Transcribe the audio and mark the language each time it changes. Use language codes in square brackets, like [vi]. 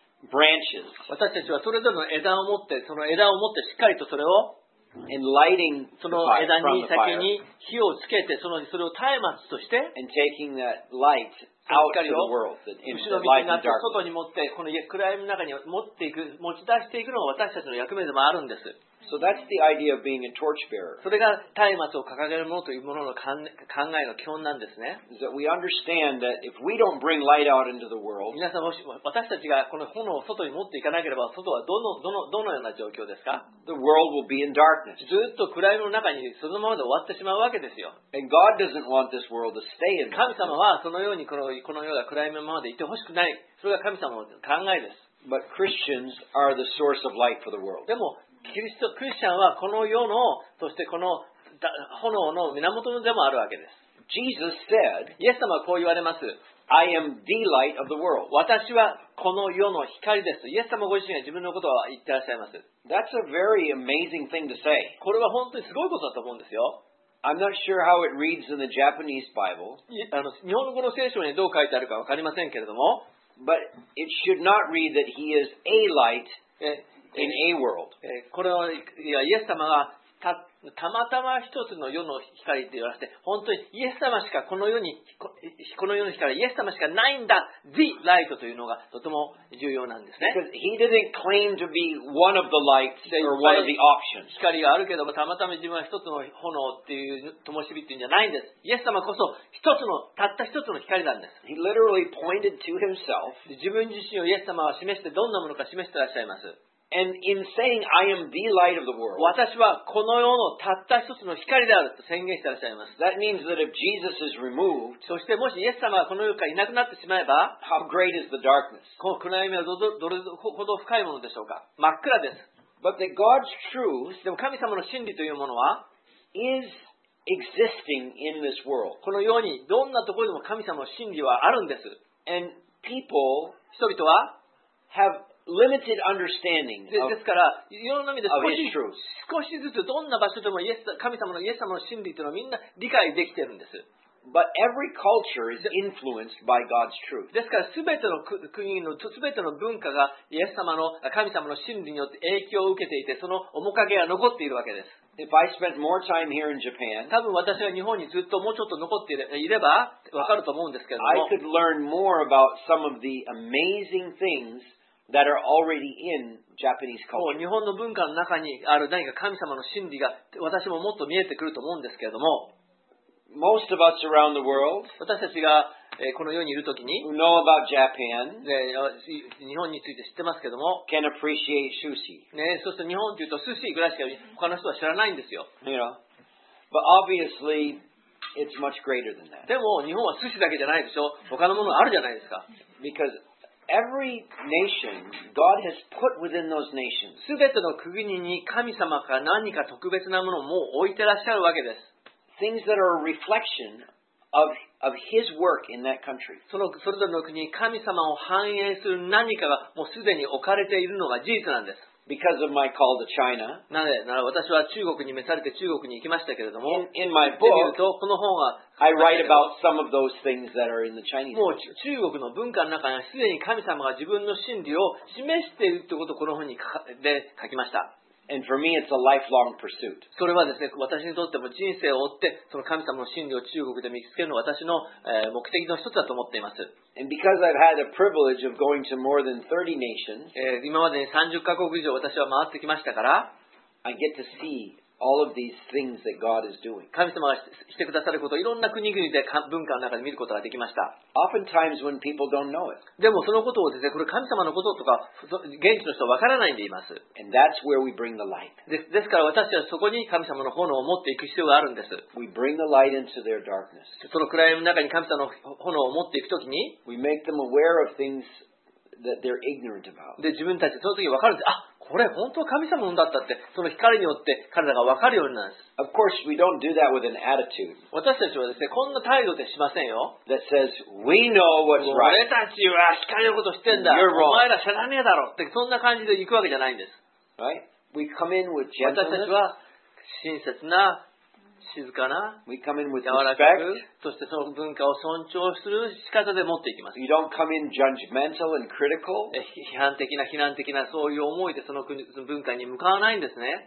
[en] Branches. [ja] 私たちはそれぞれの枝を持って、その枝を持ってしっかりとそれを、 [en] and lighting [ja] その枝に先に火をつけて、それを松明として、 [en] and taking that light out to the world, into the light and darkness. [ja] 外に持って、この暗闇の中に持っていく、持ち出していくのが私たちの役目でもあるんです。 [en] So that's the idea of being a torchbearer. [ja] それが松明を掲げるものというものの考えの基本なんですね。 [en] Is that we understand that if we don't bring light out into the world, [ja] 皆さんもし私たちがこの炎を外に持っていかなければ、外はどのような状況ですか？ [en] The world will be in darkness. [ja] ずっと暗闇の中にそのままで終わってしまうわけですよ。 [en] And God doesn't want this world to stay in darkness. [ja] 神様はそのようにこの世が暗闇のままでいてほしくない。それが神様の考えです。 [en] But Christians are the source of light for the world. [ja] でもクリスチャンはこの世の、そしてこの炎の源でもあるわけです。 [en] Jesus said, [ja] イエス様はこう言われます。 [en] I am the light of the world. [ja] 私はこの世の光です。イエス様ご自身が自分のことを言ってらっしゃいます。 [en] That's a very amazing thing to say. [ja] これは本当にすごいことだと思うんですよ。 [en] I'm not sure how it reads in the Japanese Bible. [ja] 日本語の聖書にどう書いてあるかわかりませんけれども。 [en] But it should not read that he is a light. In a world. [ja] これは、いや、イエス様がたまたま一つの世の光って言わせて、本当にイエス様しかこの世の光、イエス様しかないんだ、 [en] The Light [ja] というのがとても重要なんですね。 [en] Because he didn't claim to be one of the lights or one of the options. [ja] 光があるけども、たまたま自分は一つの炎っていう灯火っていうんじゃないんです。イエス様こそ一つの、たった一つの光なんです。 [en] He literally pointed to himself. [ja] 自分自身をイエス様は示して、どんなものか示していらっしゃいます。 [en] And in saying, I am the light of the world. [ja] 私はこの世のたった一つの光であると宣言してらっしゃいます。 [en] That means that if Jesus is removed, [ja] そしてもしイエス様がこの世からいなくなってしまえば、 [en] how great is the darkness? [ja] この暗闇はどれほど深いものでしょうか。真っ暗です。 [en] But that God's truth, [ja] でも神様の真理というものは、 [en] is existing in this world. [ja] この世にどんなところでも神様の真理はあるんです。 [en] And people, [ja] 人々は、 [en] have limited understanding of, [ja] ですから、いろんな意味で少しずつどんな場所でもイエス神様のイエス様の真理というのをみんな理解できているんです。 [en] But every culture is influenced by God's truth. [ja] ですから、すべての国の、すべての文化が、イエス様の、神様の真理によって影響を受けていて、その面影が残っているわけです。 [en] If I spent more time here in Japan, [ja] 多分私が日本にずっともうちょっと残っていれば、わかると思うんですけれども、 [en] I could learn more about some of the amazing things that are already in Japanese culture. [ja] もう日本の文化の中にある何か神様の真理が、私ももっと見えてくると思うんですけれども、 [en] Most of us around the world, [ja] 私たちがこの世にいるときに、 [en] know about Japan, [ja] 日本について知ってますけども、 [en] can appreciate sushi. [ja] ね、そして日本というと寿司ぐらいしか他の人は知らないんですよ。 [en] You know? But obviously, it's much greater than that. [ja] でも日本は寿司だけじゃないでしょ。他のものあるじゃないですか。 [en] Because every nation, God has put within those nations. [ja] すべての国に神様が何か特別なものをもう置いてらっしゃるわけです。 [en] Things that are a reflection of His work in that country. [ja] その、それぞれの国に神様を反映する何かがもうすでに置かれているのが事実なんです。 [en] Because of my call to China. [ja] なぜなら私は中国に召されて中国に行きましたけれども、 [en] in my book, [ja] 見るとこの本は、 [en] I write about some of those things that are in the Chinese culture. [ja] もう中国の文化の中にすでに神様が自分の真理を示しているということをこの本にかで書きました。 [en] And for me, it's a lifelong pursuit. [ja] それはですね、私にとっても人生を追って、その神様の真理を中国で見つけるのが私の、目的の一つだと思っています。 [en] And because I've had the privilege of going to more than 30 nations, [ja] 今までに30カ国以上私は回ってきましたから、 [en] I get to see all of these things that God is doing. [ja] 神様がしてくださることをいろんな国々で文化の中で見ることができました。 [en] Oftentimes when people don't know it. [ja] でもそのことをですね、これ神様のこととか、現地の人はわからないんで言います。 [en] And that's where we bring the light. [ja] ですから私はそこに神様の炎を持っていく必要があるんです。 [en] We bring the light into their darkness. [ja] その暗闇の中に神様の炎を持っていくときに、 [en] We make them aware of things that they're ignorant about. [ja] で、自分たちその時わかるんです。あっこれ本当は神様のものだったってその光によって彼らが分かるようになるんです。 [en] Of course, we don't do that with an attitude. [ja] 私たちはですね、こんな態度でしませんよ。 [en] That says, we know what's right. [ja] 俺たちは光のことを知ってんだ。 [en] You're wrong. [ja] お前ら知らねえだろってそんな感じで行くわけじゃないんです。 [en] Right? We come in with gentleness. [ja] 私たちは親切な、静かな、 [en] we come in with [ja] 柔らかく、そしてその文化を尊重する仕方で持っていきます。 [en] We don't come in judgmental and critical. [ja] 批判的な、非難的な、そういう思いでその国、その文化に向かわないんですね。